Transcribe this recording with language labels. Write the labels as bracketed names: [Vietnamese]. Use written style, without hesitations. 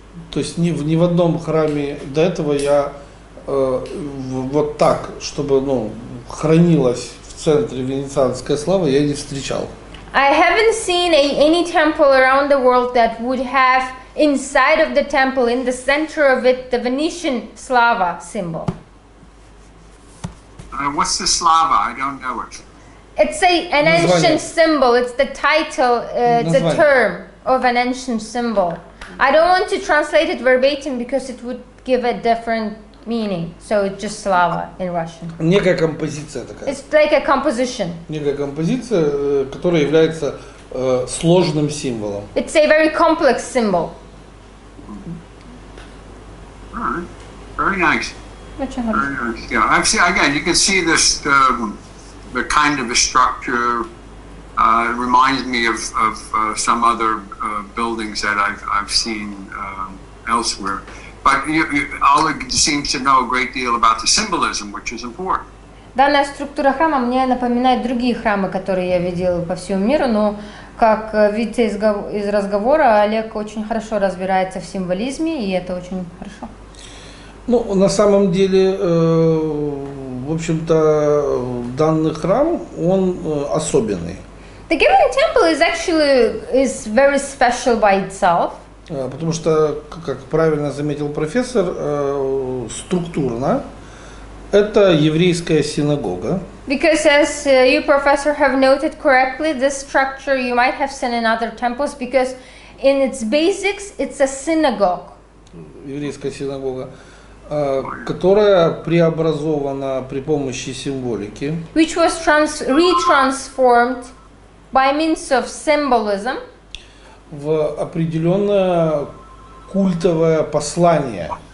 [Russian] То есть ни в одном храме до этого я вот так, чтобы хранилась в центре венецианская слава, я не встречал. [English] I haven't seen any temple around the world that would have inside of the temple, in the center of it, the Venetian Slava symbol. What's the Slava? I don't know it. It's an ancient symbol. It's the title, the term of an ancient symbol. I don't want to translate it verbatim because it would give a different meaning. So it's just Slava in Russian. [Russian] Некая композиция такая. [English] It's like a composition. [Russian] Некая композиция, которая является сложным символом. [English] It's a very complex symbol. Very nice. Very nice. Yeah, you can see this the kind of a structure. It reminds me of some other buildings that I've seen elsewhere. But you Oleg seems to know a great deal about the symbolism, which is important. [Russian] Данная структура храма мне напоминает другие храмы, которые я видел по всему миру, но как видите из разговора, Олег очень хорошо разбирается в символизме, и это очень хорошо. Ну, на самом деле, в общем-то, данный храм, он особенный. [English] The given temple is actually is very special by itself. [Russian] Потому что, как правильно заметил профессор, структурно, это еврейская синагога. [English] Because as you professor have noted correctly, this structure you might have seen in other temples because in its basics it's a synagogue. [Russian] Еврейская синагога, которая преобразована при помощи символики. [English] Which was retransformed by means of symbolism. [Russian] В определенное культовое послание.